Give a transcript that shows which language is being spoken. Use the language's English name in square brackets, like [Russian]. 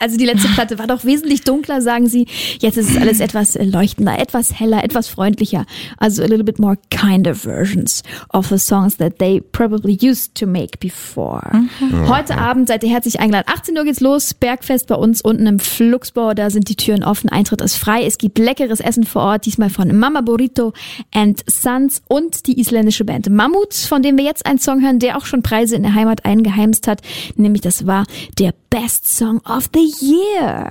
[German] Also die letzte Platte war doch wesentlich dunkler, sagen Sie. Jetzt ist alles etwas leuchtender, etwas heller, etwas freundlicher. [English] Also a little bit more kinder versions of the songs that they probably used to make before. [German] Heute Abend seid ihr herzlich eingeladen. 18 Uhr geht's los, Bergfest bei uns unten im Fluxbau. Da sind die Türen offen, Eintritt ist frei. Es gibt leckeres Essen vor Ort, diesmal von Mama Burrito and Sons und die isländische Band Mammut, von dem wir jetzt einen Song hören, der auch schon Preise in der Heimat eingeheimst hat, nämlich das war der Best Song of the Year.